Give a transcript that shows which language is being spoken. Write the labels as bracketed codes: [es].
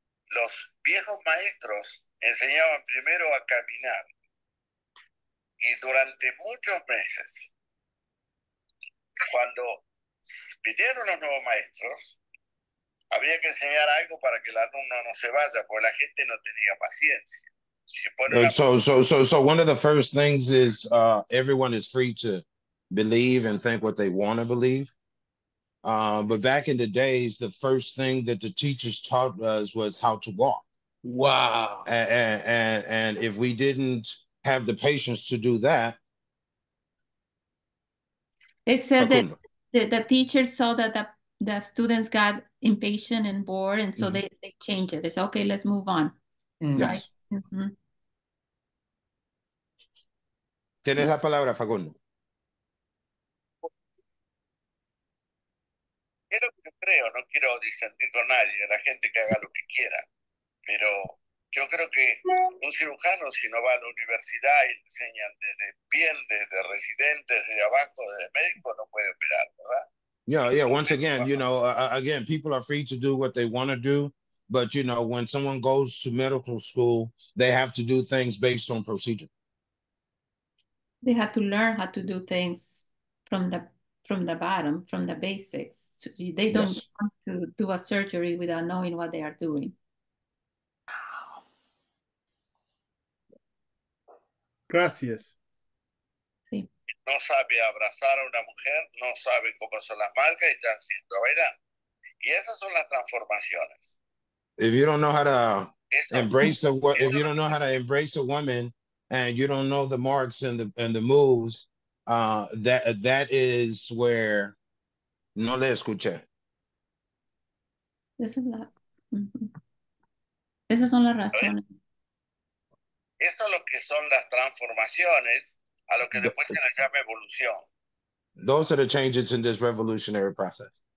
[es] Los viejos maestros enseñaban primero a caminar y durante muchos meses, cuando vinieron los nuevos maestros, había que enseñar algo para que el alumno no se vaya, porque la gente no tenía paciencia. [en] So one of the first things is everyone is free to believe and think what they want to believe. But back in the days, the first thing that the teachers taught us was how to walk. Wow. And if we didn't have the patience to do that. It said that the teachers saw that the students got impatient and bored, and so they changed it. They said, okay, let's move on. Yes. Right. [es] ¿Tienes la palabra, Facundo? Es lo que yo creo, no quiero disentir con nadie, la gente que haga lo que quiera, pero yo creo que un cirujano, si no va a la universidad y le enseñan desde bien, desde residente, desde abajo, desde médico, no puede operar, ¿verdad? [en] Yeah, once again, you know, again, people are free to do what they want to do, but, you know, when someone goes to medical school, they have to do things based on procedure. They have to learn how to do things from the bottom, from the basics. They don't want to do a surgery without knowing what they are doing. [es] Gracias. Sí. No sabe abrazar a una mujer, no sabe cómo son las marcas y están siendo bailando. Y esas son las transformaciones. [en] If you don't know how to embrace a woman, and you don't know the marks and the moves, that is where [es] no le escuché. Esas son las razones. Eso es lo que son las transformaciones a lo que después se le llama evolución. [en] Those are the changes in this revolutionary process.